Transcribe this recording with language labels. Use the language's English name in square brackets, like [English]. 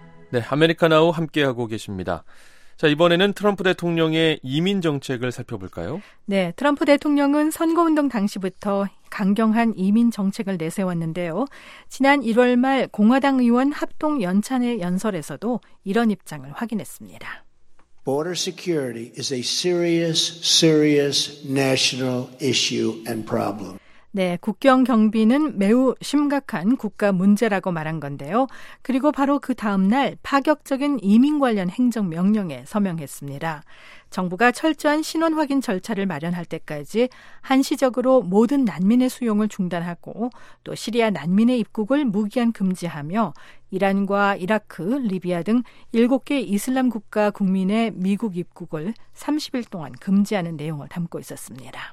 [Korean] 네, 아메리카나우 함께하고 계십니다. 자, 이번에는 트럼프 대통령의 이민 정책을 살펴볼까요? 네, 트럼프 대통령은 선거운동 당시부터 강경한 이민 정책을 내세웠는데요. 지난 1월 말 공화당 의원 합동 연찬회 연설에서도 이런 입장을 확인했습니다. [English] Border security is a serious, serious national issue and problem. [Korean] 네, 국경 경비는 매우 심각한 국가 문제라고 말한 건데요. 그리고 바로 그 다음 날 파격적인 이민 관련 행정 명령에 서명했습니다. 정부가 철저한 신원 확인 절차를 마련할 때까지 한시적으로 모든 난민의 수용을 중단하고 또 시리아 난민의 입국을 무기한 금지하며 이란과 이라크, 리비아 등 7개 이슬람 국가 국민의 미국 입국을 30일 동안 금지하는 내용을 담고 있었습니다.